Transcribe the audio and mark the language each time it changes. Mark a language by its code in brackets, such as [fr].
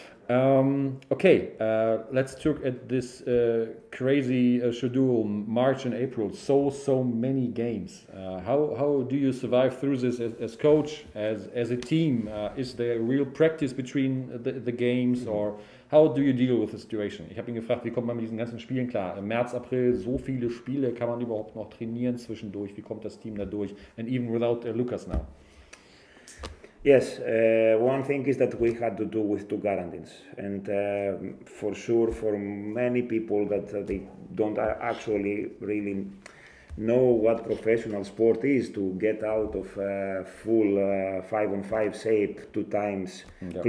[en] Okay, let's look at this crazy schedule, March and April, so many games. How do you survive through this as coach, as a team? Is there real practice between the games, mm-hmm. or how do you deal with the situation? [de] Ich habe ihn gefragt, wie kommt man mit diesen ganzen Spielen klar? Im März, April, so viele Spiele, kann man überhaupt noch trainieren zwischendurch? Wie kommt das Team da durch? [en] And even without Lucas now. Yes, one thing is that we had to do with two guarantees, and for sure for many people that they don't actually really know what professional sport is, to get out of a full 5-on-5 shape two times yeah.